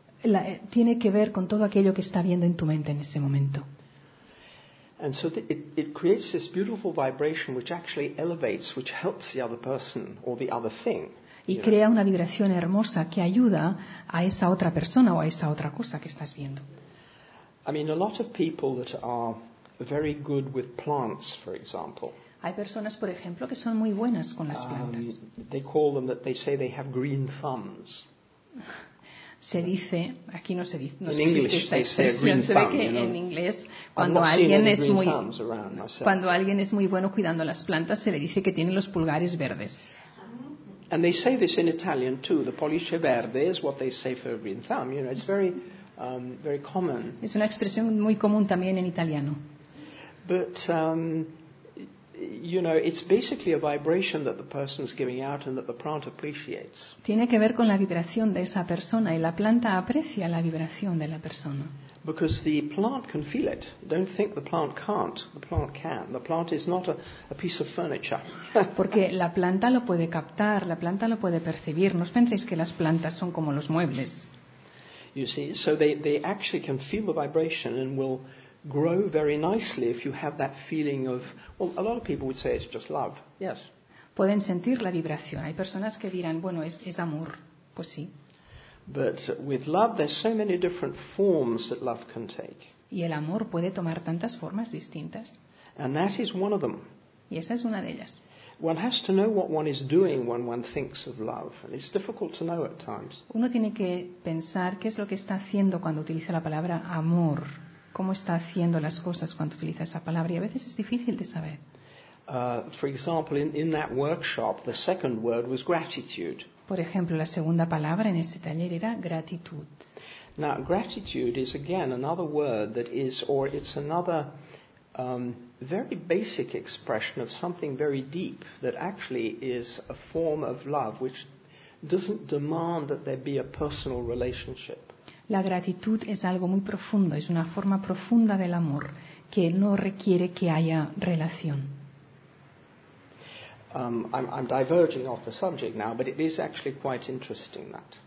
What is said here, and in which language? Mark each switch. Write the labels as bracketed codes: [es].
[es] Tiene que ver con todo aquello que está viendo en tu mente en ese momento. [en] And so it creates this beautiful vibration which actually elevates, which helps the other person or the other thing. [es] Y crea una vibración hermosa que ayuda a esa otra persona o a esa otra cosa que estás viendo. [en] I mean, a lot of people that are very good with plants, for example. [es] Hay personas, por ejemplo, que son muy buenas con las plantas. [en] They call them that they say they have green thumbs. [es] Se dice, aquí no se dice, no [en] in [es] existe [en] English, [es] esta expresión, se ve [en] thumb, [es] que [en] you know, [es] en inglés, cuando alguien es muy bueno cuidando las plantas, se le dice que tiene los pulgares verdes. [en] And they say this in Italian too, the [it] pollice verde [en] is what they say for a green thumb, you know, it's very, very common. [es] Es una expresión muy común también en italiano. [en] But, you know, it's basically a vibration that the person's giving out and that the plant appreciates. [es] Tiene que ver con la vibración de esa persona y la planta aprecia la vibración de la persona. [en] Because the plant can feel it. Don't think the plant can't. The plant can. The plant is not a piece of furniture. [es] Porque la planta lo puede captar, la planta lo puede percibir. No os penséis que las plantas son como los muebles. [en] You see, so they actually can feel the vibration and will grow very nicely if you have that feeling of, well, a lot of people would say it's just love. Yes. [es] Pueden sentir la vibración. Hay personas que dirán, bueno, es amor. Pues sí. [en] But with love, there's so many different forms that love can take. [es] Y el amor puede tomar tantas formas distintas. [en] And that is one of them. [es] Y esa es una de ellas. [en] One has to know what one is doing when one thinks of love, and it's difficult to know at times. [es] Uno tiene que pensar qué es lo que está haciendo cuando utiliza la palabra amor. Cómo está haciendo las cosas cuando utiliza esa palabra, y a veces es difícil de saber. [en] For example, in that workshop, the second word was gratitude. [es] Por ejemplo, la segunda palabra en ese taller era gratitud. [en] Now, gratitude is again another word that is, or it's another very basic expression of something very deep that actually is a form of love which doesn't demand that there be a personal relationship. [es] La gratitud es algo muy profundo, es una forma profunda del amor que no requiere que haya relación. [en] I'm diverging off the subject now, but it is actually quite interesting that.